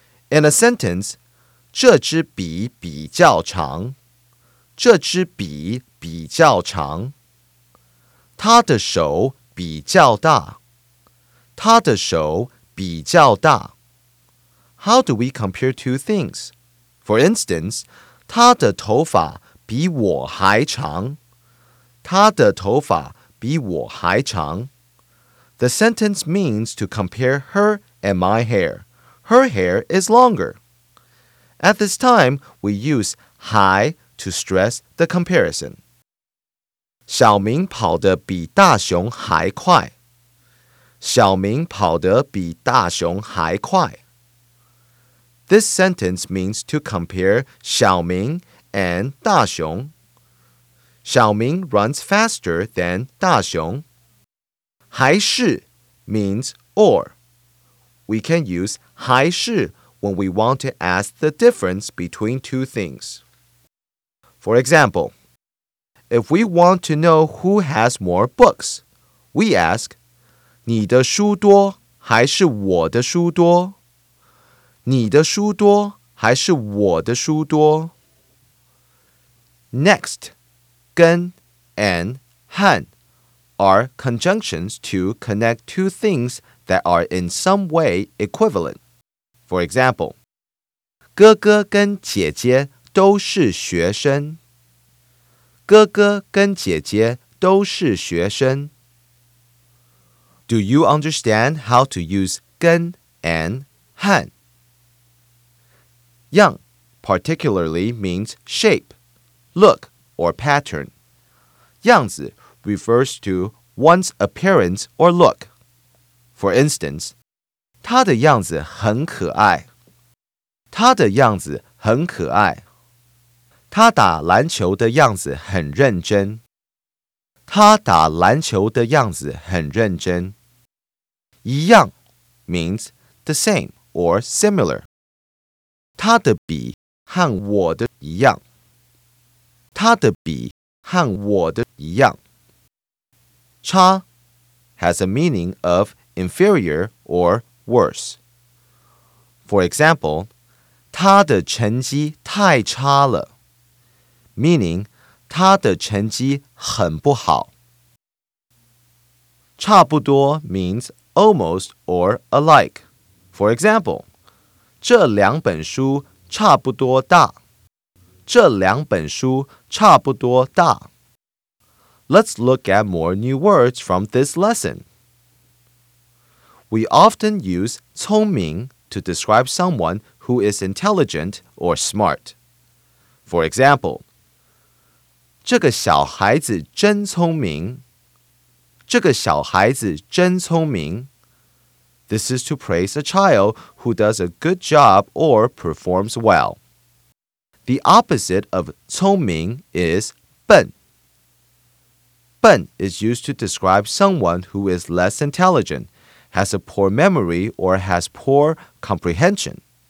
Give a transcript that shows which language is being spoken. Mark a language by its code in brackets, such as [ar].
[en] In a sentence, [zh] 这支笔比较长。这支笔比较长。他的手比较大。他的手比较大。 [en] How do we compare two things? For instance, [zh] 他的头发比我还长。他的头发比我还长。 [en] The sentence means to compare her and my hair. Her hair is longer. At this time, we use 还to stress the comparison. [zh] 小明跑得比大熊还快。小明跑得比大熊还快。 [en] This sentence means to compare 小明 and 大熊。小明 runs faster than 大熊。 还是 means or. We can use 还是 when we want to ask the difference between two things. For example, if we want to know who has more books, we ask, [zh] 你的书多还是我的书多? 你的书多还是我的书多? [en] Next, 跟 and 和 are conjunctions to connect two things that are in some way equivalent. For example, [zh] 哥哥跟姐姐都是学生。哥哥跟姐姐都是学生。 [en] Do you understand how to use 跟 and 和? Yang particularly means shape, look, or pattern. 样子 refers to one's appearance or look. For instance, [zh] 他的样子很可爱。他的样子很可爱。他打篮球的样子很认真。他打篮球的样子很认真。 [en] 一样 means the same or similar. [zh] 他的笔和我的一样。他的笔和我的一样。 [en] 差 has a meaning of inferior or worse. For example, [zh] 他的成绩太差了。 [en] Meaning, [zh] 他的成绩很不好。 [en] 差不多 means almost or alike. For example, [zh] 这两本书差不多大。这两本书差不多大。 [en] Let's look at more new words from this lesson. We often use 聪明 to describe someone who is intelligent or smart. For example, [zh] 这个小孩子真聪明。这个小孩子真聪明。 [en] This is to praise a child who does a good job or performs well. The opposite of 聪明 is 笨。笨 is used to describe someone who is less intelligent, has a poor memory, or has poor comprehension.